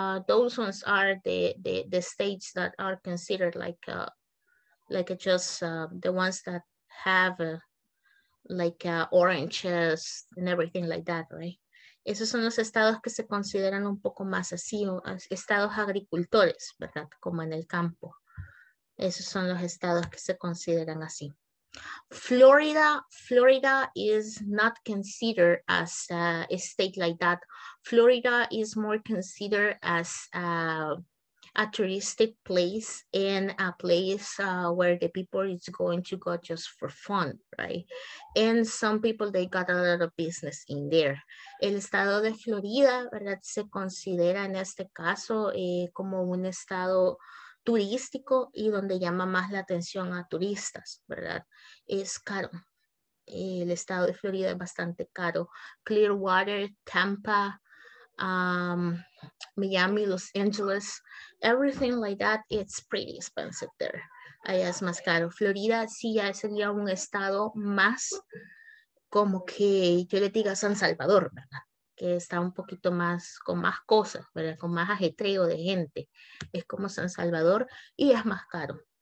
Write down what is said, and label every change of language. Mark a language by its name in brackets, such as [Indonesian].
[English] Those ones are the states that are considered like just the ones that have oranges and everything like that, right? [Spanish] Esos son los estados que se consideran un poco más así, estados agricultores, ¿verdad? Como en el campo. Esos son los estados que se consideran así. [English] Florida is not considered as a state like that. Florida is more considered as a touristic place and a place where the people is going to go just for fun, right? And some people, they got a lot of business in there. [Spanish] El estado de Florida, ¿verdad? Se considera en este caso como un estado turístico y donde llama más la atención a turistas, ¿verdad? Es caro. El estado de Florida es bastante caro. [English] Clearwater, Tampa, Miami, Los Angeles, everything like that, it's pretty expensive there. [Spanish] Allá es más caro. Florida sí ya sería un estado más como que yo le diga San Salvador, ¿verdad? Que está un poquito más, con más cosas, ¿verdad? Con más ajetreo de gente. Es como San Salvador y es más caro.